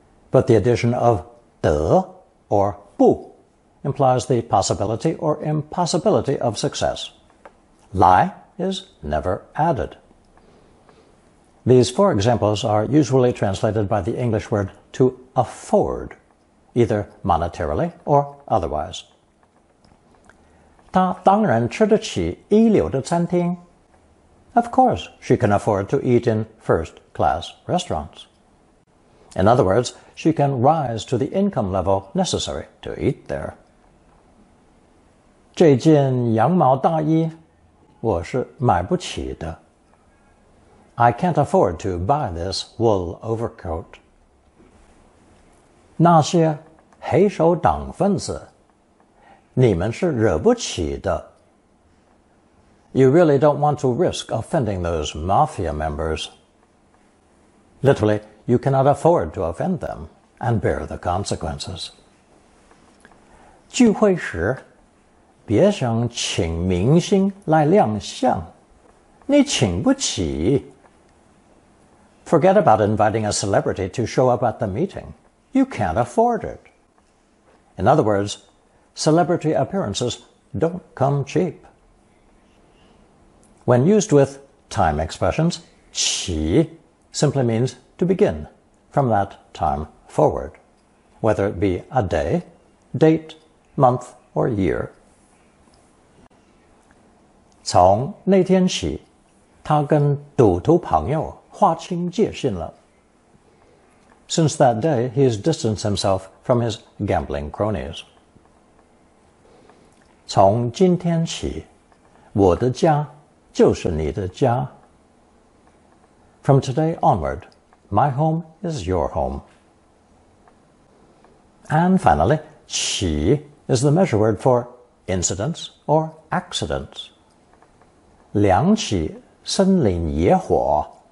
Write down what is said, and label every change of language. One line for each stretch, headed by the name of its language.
English: But the addition of 得 or 不implies the possibility or impossibility of success.
Chinese: 来
English: is never added. These four examples are usually translated by the English word to afford, either monetarily or otherwise.
Chinese: 她当然吃得起一流的餐厅。
English: Of course, she can afford to eat in first-class restaurants. In other words, she can rise to the income level necessary to eat there.
Chinese: 这件羊毛大衣我是买不起的。
English: I can't afford to buy this wool overcoat.
Chinese: 那些黑手党分子你们是惹不起的。
English: You really don't want to risk offending those mafia members. Literally, you cannot afford to offend them and bear the consequences.
Chinese: 聚会时别想请明星来亮相，你请不起。
English: Forget about inviting a celebrity to show up at the meeting. You can't afford it. In other words, celebrity appearances don't come cheap. When used with time expressions,
Chinese: 起
English: simply means to begin from that time forward, whether it be a day, date, month, or year.
Chinese: 从那天起，他跟赌徒朋友划清界限了。
English: Since that day, he has distanced himself from his gambling cronies.
Chinese: 从今天起，我的家就是你的家。
English: From today onward, my home is your home. And finally,
Chinese: 起
English: is the measure word for incidents or accidents.
Chinese: 两起森林野火